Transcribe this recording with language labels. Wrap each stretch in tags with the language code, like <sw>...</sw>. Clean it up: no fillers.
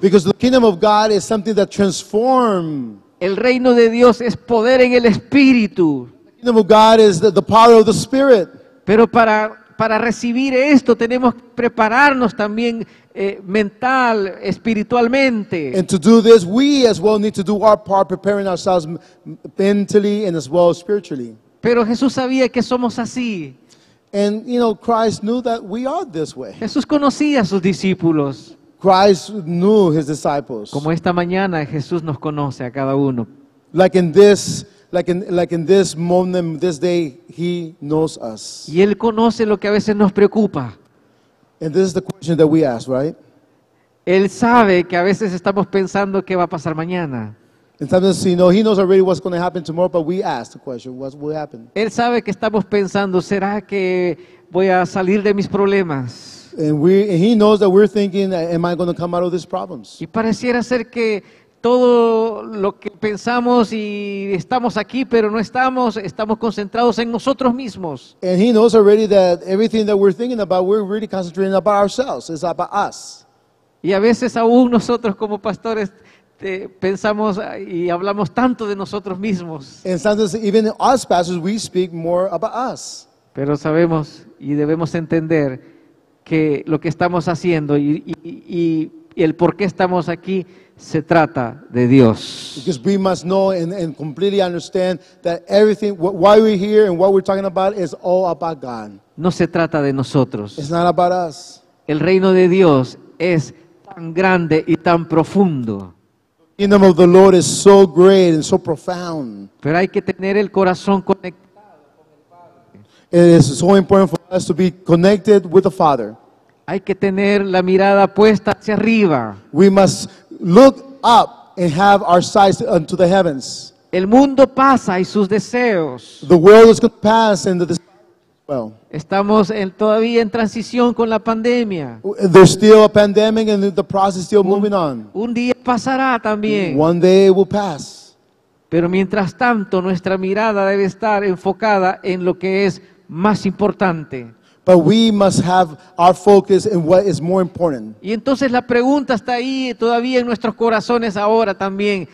<en>Because the kingdom of God is something that transforms.</en> <es>El reino de Dios es poder en el espíritu.</es> <en>The kingdom of God is the power of the spirit.</en> <es>Pero para recibir esto tenemos que prepararnos también mental, espiritualmente.</es> <en>And to do this we as well need to do our part preparing ourselves mentally and as well spiritually.</en> <es>Pero Jesús sabía que somos así.</es> <en>And you know Christ knew that we are this way.</en> <es>Jesús conocía a sus discípulos.</es> <en>Christ knew his disciples.</en> <es>Como esta mañana Jesús nos conoce a cada uno.</es> <en>Like in this like in this moment, this day, He knows us.</en> <es>Y Él conoce lo que a veces nos preocupa.</es> <en>And this is the question that we ask, right?</en> <es>Él sabe que a veces estamos pensando qué va a pasar mañana.</es> <en>And sometimes, you know, He knows already what's going to happen tomorrow, but we ask the question, what will happen?</en> <es>Él sabe que estamos pensando, ¿será que voy a salir de mis problemas?</es> <en>And He knows that we're thinking, am I going to come out of these problems?</en> <es>Y pareciera ser que todo lo que pensamos y estamos aquí, pero no estamos, estamos concentrados en nosotros mismos.</es> <en>And He knows already that everything that we're thinking about, we're really concentrating about ourselves. It's about us.</en> <es>Y a veces aún nosotros como pastores pensamos y hablamos tanto de nosotros mismos.</es> <en>And sometimes even us pastors, we speak more about us.</en> <es>Pero sabemos y debemos entender que lo que estamos haciendo y el por qué estamos aquí se trata de Dios.</es> <en>Because we must know and completely understand that everything, why we're here and what we're talking about is all about God.</en> <es>No se trata de nosotros.</es> <en>It's not about us.</en> <es>El reino de Dios es tan grande y tan profundo.</es> <en>The kingdom of the Lord is so great and so profound.</en> <es>Pero hay que tener el corazón conectado con el Padre.</es> <en>It is so important for us to be connected with the Father.</en> <es>Hay que tener la mirada puesta hacia arriba.</es> <en>We must look up and have our sights unto the heavens.</en> <es>El mundo pasa y sus deseos.</es> <en>The world is going to pass and the desires as well.</en> <es>Estamos todavía en transición con la pandemia.</es> <en>There's still a pandemic and the process is still moving on.</en> <es>Un día pasará también.</es> <en>One day it will pass.</en> <es>Pero mientras tanto, nuestra mirada debe estar enfocada en lo que es más importante.</es> <en>But we must have our focus in what is more important.</en> <es>Y entonces la pregunta está ahí todavía en nuestros corazones ahora también.</es>